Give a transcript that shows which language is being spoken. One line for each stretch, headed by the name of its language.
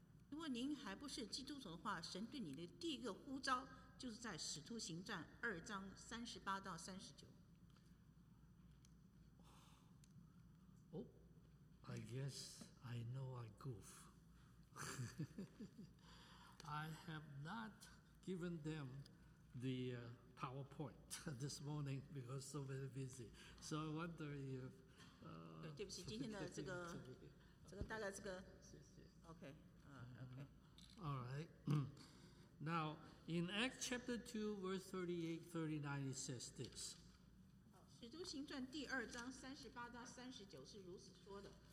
Chinese: 如果您还不是基督徒的话，神对你的第一个呼召就是在《使徒行传》二章三十八到三十九。
English: Oh, I guess I know I goof. I have not given them the PowerPoint this morning because so very busy. So I wonder if.
Chinese: 对不起，今天的这个大概这个。谢谢。
English: OK. All right. Now in Acts chapter 2, verse 38-39, it says this.
Chinese: 使徒行传第二章三十八到三十九是如此说的。